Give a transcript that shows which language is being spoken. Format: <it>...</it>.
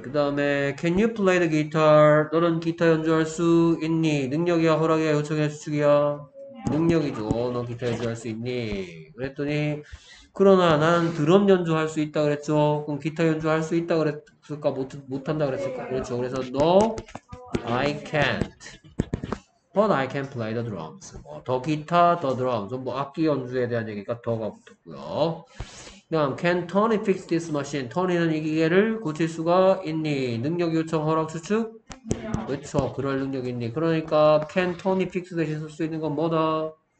<ko>그 다음에</ko> <en>Can you play the guitar?</en> <ko>너는 기타 연주할 수 있니? 능력이야, 허락이야, 요청이야, 추측이야? 능력이죠. 너 기타 연주할 수 있니? 그랬더니 그러나 나는 드럼 연주할 수 있다 그랬죠. 그럼 기타 연주할 수 있다 그랬을까? 못한다 그랬을까? 그렇죠. 그래서 너</ko> <en>I can't, but I can play the drums.</en> <ko>뭐, 더 기타, 더 드럼. 전부 악기 연주에 대한 얘기니까 더가 붙었고요. 다음,</ko> <en>Can Tony fix this machine?</en> <ko>Tony는 이 기계를 고칠 수가 있니? 능력 요청, 허락, 추측? 그렇죠. 그럴 능력이 있니? 그러니까</ko> <en>Can Tony fix</en> <ko>대신 쓸수 있는 건 뭐다?</ko>